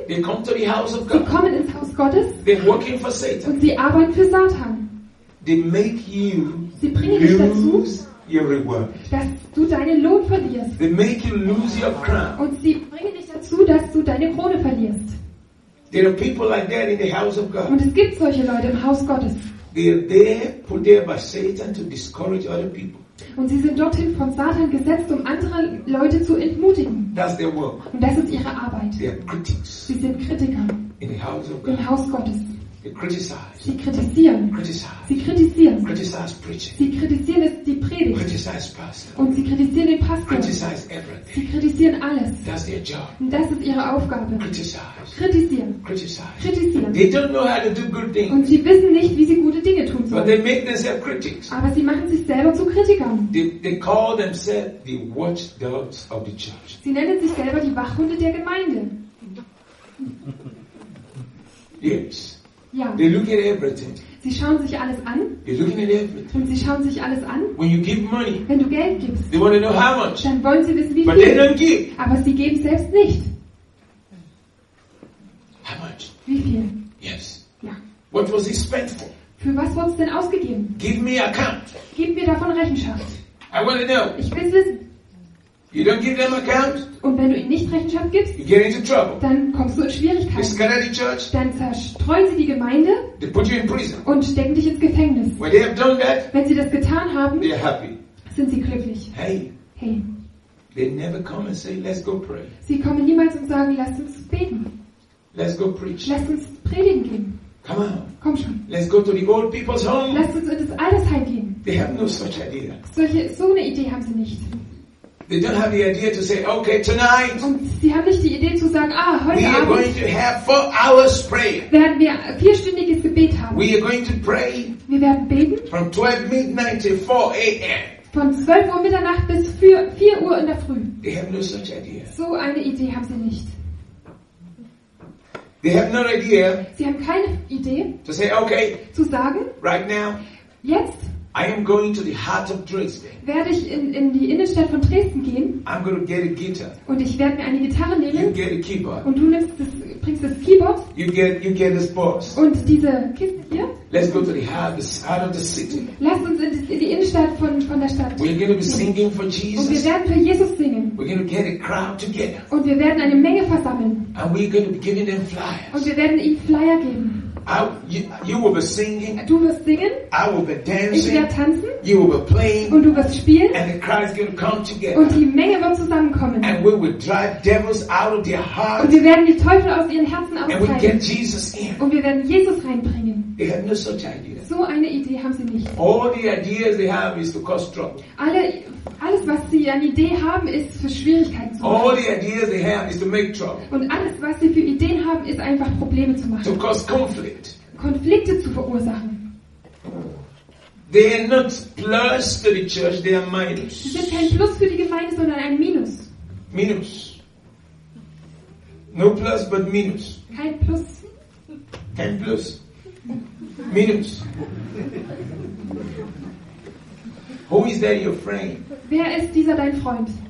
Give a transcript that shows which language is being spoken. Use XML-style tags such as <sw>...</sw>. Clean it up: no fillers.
<en>They come to the house of God.</en> <de>Sie kommen ins Haus Gottes.</de> <en>They are working for Satan.</en> <de>Und sie arbeiten für Satan.</de> <en>They make you</en> <de>sie bringen dich dazu,</de> <en>your reward.</en> <de>Dass du deinen Lohn verlierst.</de> <en>They make you lose your crown.</en> <de>Und sie bringen dich dazu, dass du deine Krone verlierst.</de> <en>There are people like that in the house of God.</en> <de>Und es gibt solche Leute im Haus Gottes.</de> <en>They are there, put there by Satan to discourage other people.</en> <de>Und sie sind dorthin von Satan gesetzt, um andere Leute zu entmutigen.</de> <en>That's their work.</en> <de>Und das ist ihre Arbeit.</de> <en>They are critics.</en> <de>Sie sind Kritiker</de> <en>in the house of God.</en> <de>Im Haus Gottes.</de> <en>They criticize.</en> <de>Sie kritisieren.</de> <en>Criticize.</en> <de>Sie kritisieren.</de> <en>Criticize preaching.</en> <de>Sie kritisieren die Predigt.</de> <en>Criticize pastor.</en> <de>Und sie kritisieren den Pastor.</de> <en>Criticize everything.</en> <de>Sie kritisieren alles.</de> <en>That's their job.</en> <de>Und das ist ihre Aufgabe.</de> <en>Criticize.</en> <de>Kritisieren.</de> <en>Criticize.</en> <de>Kritisieren.</de> <en>They don't know how to do good things.</en> <de>Und sie wissen nicht, wie sie gute Dinge tun sollen.</de> <en>But they make themselves critics.</en> <de>Aber sie machen sich selber zu Kritikern.</de> <en>They call themselves the watchdogs of the church.</en> <de>Sie nennen sich selber die Wachhunde der Gemeinde.</de> <en>Yes.</en> <de>Ja.</de> <en>They look at everything.</en> <de>Sie schauen sich alles an.</de> <en>They're looking at everything.</en> <de>Und sie schauen sich alles an.</de> <en>When you give money,</en> <de>wenn du Geld gibst,</de> <en>they want to know how much.</en> <de>Dann wollen sie wissen, wie</de> <en>but</en> <de>viel.</de> <en>They don't give.</en> <de>Aber sie geben selbst nicht.</de> <en>How much?</en> <de>Wie viel?</de> <en>Yes.</en> <de>Ja.</de> <en>What was it spent for?</en> <de>Für was wurde es denn ausgegeben?</de> <en>Give me account.</en> <de>Gib mir davon Rechenschaft.</de> <en>I want to know.</en> <de>Ich will es wissen.</de> <en>You don't give them account,</en> <de>und wenn du ihnen nicht Rechenschaft gibst,</de> <en>you get into trouble.</en> <de>Dann kommst du in Schwierigkeiten.</de> <en>Church,</en> <de>dann zerstreuen sie die Gemeinde,</de> <en>they put you in prison.</en> <de>Und stecken dich ins Gefängnis.</de> <en>When they have done that,</en> <de>wenn sie das getan haben,</de> <en>they are happy.</en> <de>Sind sie glücklich.</de> <en>Hey.</en> <de>Hey.</de> <en>They never come and say, let's go pray.</en> <de>Sie kommen niemals und sagen, lasst uns beten.</de> <en>Let's go preach.</en> <de>Lasst uns predigen gehen.</de> <en>Come on.</en> <de>Komm schon.</de> <en>Let's go to the old people's home.</en> <de>Lasst uns in das Altersheim gehen.</de> <en>They have no such idea.</en> <de>So eine Idee haben sie nicht.</de> <en>They don't have the idea to say, okay, tonight.</en> <de>Und sie haben nicht die Idee zu sagen, ah, heute Abend.</de> <en>We are going to have 4 hours prayer.</en> <de>Werden wir 4-stündiges Gebet haben.</de> <en>We are going to pray.</en> <de>Wir werden beten.</de> <en>From 12 midnight to 4 a.m.</en> <de>Von 12 Uhr Mitternacht bis 4 Uhr in der Früh.</de> <en>They have no such idea.</en> <de>So eine Idee haben sie nicht.</de> <en>They have no idea.</en> <de>Sie haben keine Idee.</de> <en>To say, okay,</en> <de>zu sagen.</de> <en>Right now.</en> <de>Jetzt.</de> <en>I am going to the heart of Dresden.</en> <de>Werde ich in die Innenstadt von Dresden gehen.</de> <en>I'm going to get a guitar.</en> <de>Und ich werde mir eine Gitarre nehmen.</de> <en>You get a keyboard.</en> <de>Und du bringst das Keyboard.</de> <en>You get this box.</en> <de>Und diese Kiste hier.</de> <en>Let's go to the heart of the city.</en> <de>Lasst uns in die Innenstadt von der Stadt.</de> <en>We're going to be singing for Jesus.</en> <de>Und wir werden für Jesus singen.</de> <en>We're going to get a crowd together.</en> <de>Und wir werden eine Menge versammeln.</de> <en>And we're going to be giving them flyers.</en> <de>Und wir werden ihnen Flyer geben.</de> <en>You will be singing.</en> <de>Du wirst singen.</de> <en>I will be dancing.</en> <de>Ich werde tanzen.</de> <en>You will be playing.</en> <de>Und du wirst spielen.</de> <en>And the crowd is going to come together.</en> <de>Und die Menge wird zusammenkommen.</de> <en>And we will drive devils out of their hearts.</en> <de>Und wir werden die Teufel aus ihren Herzen austreiben.</de> <en>And we get Jesus in.</en> <de>Und wir werden Jesus reinbringen.</de> <en>They have no such idea.</en> <de>So eine Idee haben sie nicht.</de> <en>All the ideas they have is to cause trouble.</en> <de>Alles, was sie an Idee haben, ist für Schwierigkeiten zu machen.</de> <en>All the ideas they have is to make trouble.</en> <de>Und alles, was sie für Ideen haben, ist einfach Probleme zu machen.</de> <en>To cause conflict.</en> <de>Konflikte zu verursachen.</de> <en>They are not plus to the church, they are minus.</en> <de>Sie sind kein Plus für die Gemeinde, sondern ein Minus.</de> <en>Minus. No plus, but minus.</en> <de>Kein Plus. Kein Plus. Minus.</de> <en>Who is that your friend?</en> <de>Wer ist dieser dein Freund?</de>